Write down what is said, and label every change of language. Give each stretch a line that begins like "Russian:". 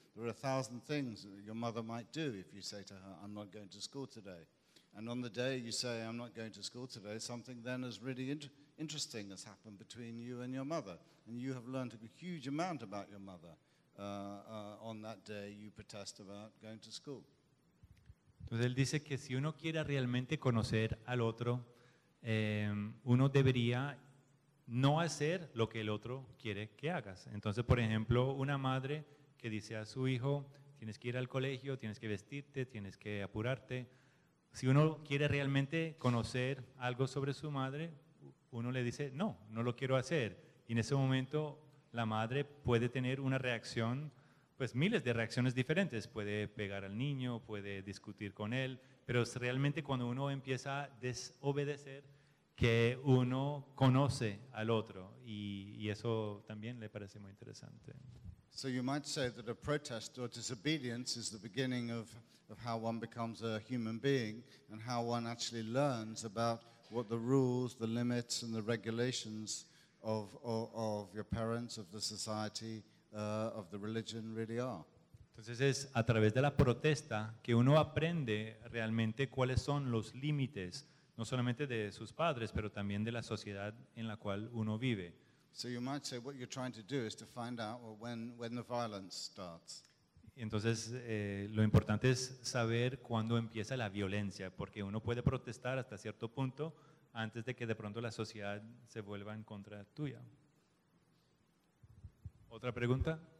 English: There are 1,000 things that your mother might do if you say to her, I'm not going to school today. And on the day you say, I'm not going to school today, something then is really interesting has happened between you and your mother. And you have learned a huge amount about your mother on that day you protest about going to school.
Spanish: Entonces él dice que si uno quiere realmente conocer al otro, uno debería no hacer lo que el otro quiere que hagas. Entonces, por ejemplo, una madre que dice a su hijo, tienes que ir al colegio, tienes que vestirte, tienes que apurarte. Si uno quiere realmente conocer algo sobre su madre, uno le dice, no, no lo quiero hacer. Y en ese momento, la madre puede tener una reacción, pues miles de reacciones diferentes. Puede pegar al niño, puede discutir con él, pero es realmente cuando uno empieza a desobedecer que uno conoce al otro y eso también le parece muy interesante.
English: So you might say that a protest or disobedience is the beginning of how one becomes a human being and how one actually learns about what the rules, the limits and the regulations of your parents, of the society, of the religion really are.
Spanish: Entonces es a través de la protesta que uno aprende realmente cuáles son los límites no solamente de sus padres, pero también de la sociedad en la cual uno vive.
English: So you might say what you're trying to do is to find out when the violence starts.
Spanish: Entonces, lo importante es saber cuándo empieza la violencia, porque uno puede protestar hasta cierto punto antes de que de pronto la sociedad se vuelva en contra tuya. ¿Otra pregunta?